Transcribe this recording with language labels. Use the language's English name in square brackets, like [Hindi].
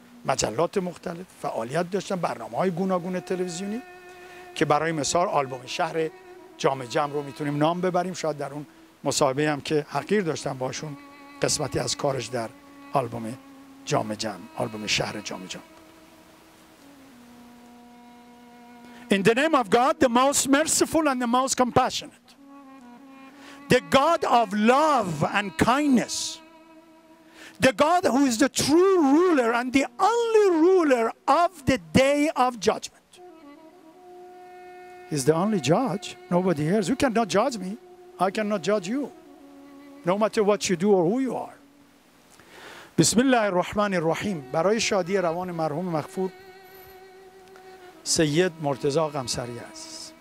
[Persian] مجلات مختلف فعالیت داشتم، برنامه‌های گوناگون تلویزیونی که برای مثال آلبوم شهر جام جم رو میتونیم نام ببریم، شاید در اون مصاحبه هم که حقیر داشتم باشون قسمتی از کارش در آلبوم جام جم، آلبوم شهر جام جم. [English] In the name of God, the most merciful and the most compassionate. The God of love and kindness. The God who is the true ruler and the only ruler of the day of judgment. He's the only judge. Nobody else. You cannot judge me. I cannot judge you. No matter what you do or who you are. [Arabic] Bismillah ar-Rahman ar-Rahim. [Persian] برای شادی روان مرحوم مغفور سید مرتضی غمسری است.